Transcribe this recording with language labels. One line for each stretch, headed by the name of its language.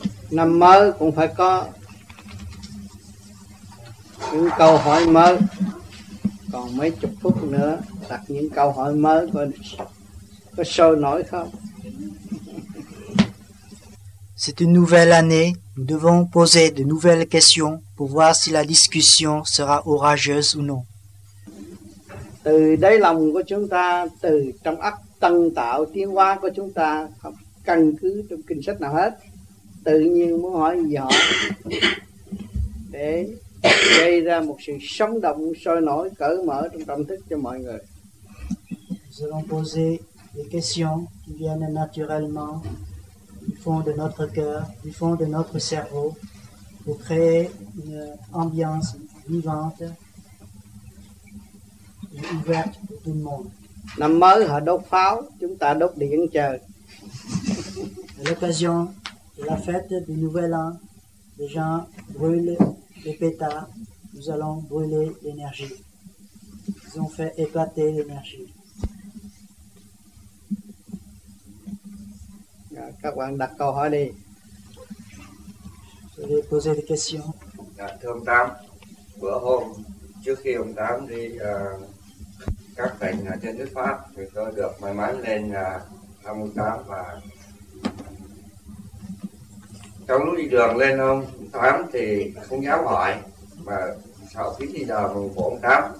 Vietnamese: Năm mới cũng phải có những câu hỏi mới, còn mấy chục phút nữa đặt những câu hỏi mới có sôi nổi không?
French: C'est une nouvelle année, nous devons poser de nouvelles questions pour voir si la discussion sera orageuse ou non.
Vietnamese: Từ đáy lòng của chúng ta, từ trong ấp tân tạo tiến hóa của chúng ta, không căn cứ trong kinh sách nào hết, tự nhiên muốn hỏi gì họ để gây ra một sự sống động, sôi nổi, cởi mở trong tâm thức cho mọi người.
French: Nous allons poser des questions qui viennent naturellement du fond de notre cœur, du fond de notre cerveau, pour créer une ambiance vivante et ouverte pour tout le monde.
Vietnamese: Năm mới họ đốt pháo, chúng ta đốt điện trời.
French: À l'occasion de la fête du Nouvel An, les gens brûlent les pétards, nous allons brûler l'énergie. Ils ont fait éclater l'énergie.
Vietnamese: Các bạn đặt câu hỏi đi.
French: Je vais poser des questions.
Vietnamese: Dạ, thưa ông Tám, bữa hôm trước khi ông Tám đi các tỉnh trên nước Pháp, thì tôi được may mắn lên thăm ông Tám, và trong lúc đi đường lên ông Tám thì không dám hỏi, mà sợ phí thì giờ của ông Tám.